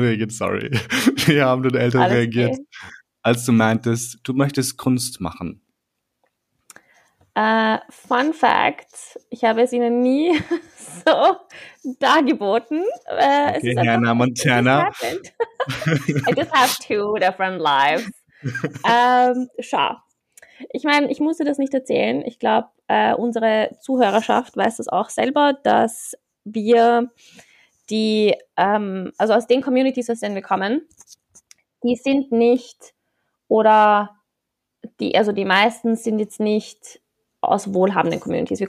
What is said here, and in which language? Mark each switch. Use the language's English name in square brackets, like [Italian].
[German] Wie haben deine Eltern alles reagiert, okay, als du meintest, du möchtest Kunst machen? Fun Fact, ich habe es ihnen nie so dargeboten. [English] Okay, Hannah Montana. I just have two different lives. [German] Schau. Ich meine, ich musste das nicht erzählen. Ich glaube, unsere Zuhörerschaft weiß das auch selber, dass wir also aus den Communities, aus denen wir kommen, die sind nicht oder die, also die meisten sind jetzt nicht aus wohlhabenden Communities.